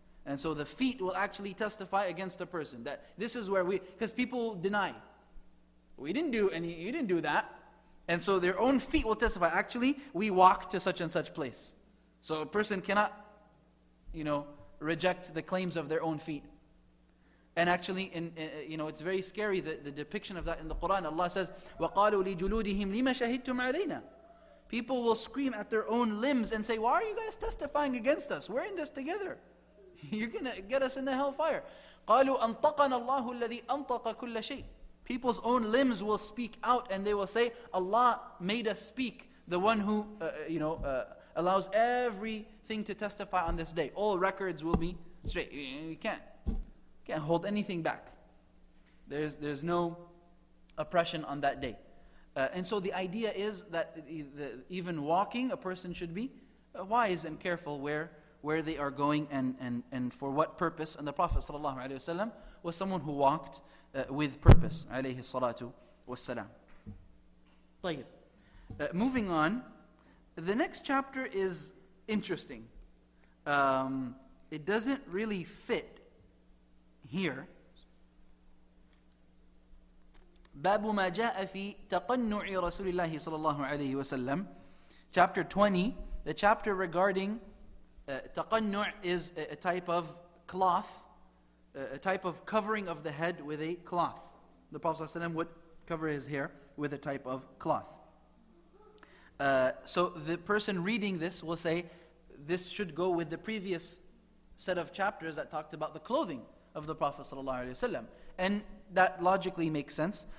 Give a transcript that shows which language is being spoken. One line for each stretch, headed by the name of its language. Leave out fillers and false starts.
English: And so the feet will actually testify against a person, that this is where we, because people deny, we didn't do any, you didn't do that. And so their own feet will testify, actually, we walk to such and such place. So a person cannot, you know, reject the claims of their own feet. And actually, you know, it's very scary, the depiction of that in the Quran.
Arabic: Allah says, وَقَالُوا لِجُلُودِهِمْ لِمَ شَهِدْتُمْ عَلَيْنَا.
English: People will scream at their own limbs and say, why are you guys testifying against us? We're in this together. You're going to get us in the hellfire.
Arabic: قَالُوا أَنْطَقَنَا اللَّهُ الَّذِي أَنْطَقَ كُلَّ شَيْءٍ.
English: People's own limbs will speak out and they will say, Allah made us speak, the one who allows everything to testify on this day. All records will be straight. You can't. Can't hold anything back. There's no oppression on that day. And so the idea is that even walking, a person should be wise and careful where they are going and for what purpose. And the Prophet ﷺ was someone who walked with purpose.
Arabic: Alayhi salatu wassalam. طيب.
English: Moving on, the next chapter is interesting. It doesn't really fit here.
Arabic: باب ما جاء في تقنع رسول الله صلى الله عليه وسلم.
English: Chapter 20, the chapter regarding تقنع is a type of cloth, a type of covering of the head with a cloth. The Prophet ﷺ would cover his hair with a type of cloth. So the person reading this will say, this should go with the previous set of chapters that talked about the clothing of the Prophet
Arabic: sallallahu alaihi wasallam,
English: and that logically makes sense.